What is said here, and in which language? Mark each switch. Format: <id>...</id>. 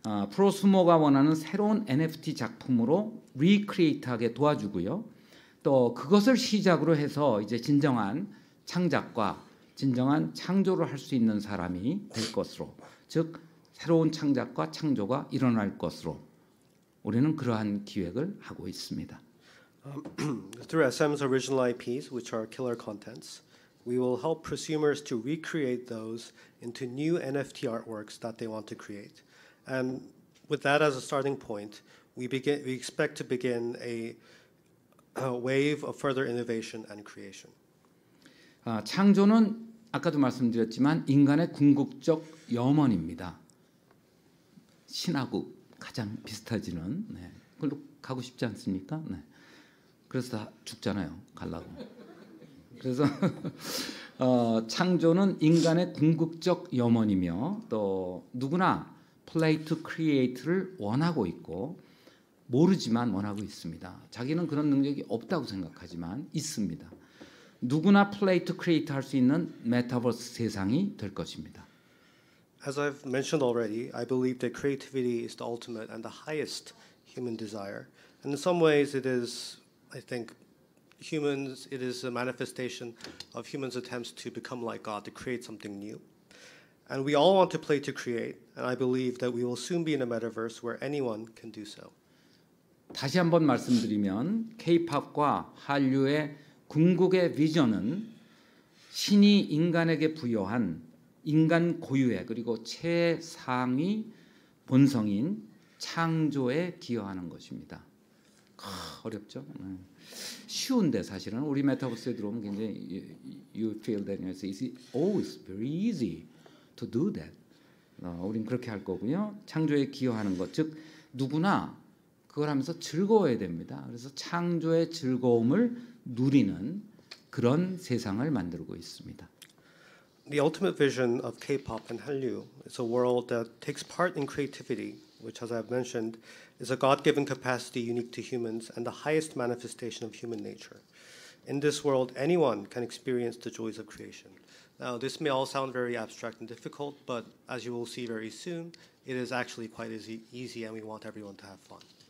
<ko>프로스모가 원하는 새로운 NFT 작품으로 리크리에이트하게 도와주고요. 또 그것을 시작으로 해서 이제 진정한 창작과 진정한 창조를 할 수 있는 사람이 될 것으로, 즉 새로운 창작과 창조가 일어날 것으로 우리는 그러한 기획을 하고 있습니다.</ko> <en>Through SM's original IPs, which are killer contents, we will help prosumers to recreate those into new NFT artworks that they want to create. And with that as a starting point, we expect to begin a wave of further innovation and creation.</en> <ko>창조는 아까도 말씀드렸지만 인간의 궁극적 염원입니다. 신하고 가장 비슷하지는, 네. 그걸로 가고 싶지 않습니까? 네. 그래서 다 죽잖아요, 갈라고. 그래서 창조는 인간의 궁극적 염원이며, 또 누구나 play to create를 원하고 있고, 모르지만 원하고 있습니다. 자기는 그런 능력이 없다고 생각하지만 있습니다. 누구나 play to create 할 수 있는 메타버스 세상이 될 것입니다.</ko> <en>As I've mentioned already, I believe that creativity is the ultimate and the highest human desire. And in some ways it is, I think, it is a manifestation of humans' attempts to become like God, to create something new. And we all want to play to create, and I believe that we will soon be in a metaverse where anyone can do so.</en> <ko>다시 한번 말씀드리면, K-POP과 한류의 궁극의 비전은 신이 인간에게 부여한 인간 고유의 그리고 최상위 본성인 창조에 기여하는 것입니다. 어렵죠? 쉬운데 사실은 우리 메타버스에 들어오면 굉장히 you feel that it's easy.</ko> <en>Oh, it's very easy to do that. 우린 그렇게 할 거고요.</en> <ko>창조에 기여하는 것, 즉 누구나 그걸 하면서 즐거워야 됩니다. 그래서 창조의 즐거움을 누리는 그런 세상을 만들고 있습니다.</ko> <en>The ultimate vision of K-pop and Hallyu is a world that takes part in creativity, which, as I've mentioned, is a God-given capacity unique to humans and the highest manifestation of human nature. In this world, anyone can experience the joys of creation. Now, this may all sound very abstract and difficult, but as you will see very soon, it is actually quite easy, and we want everyone to have fun.</en>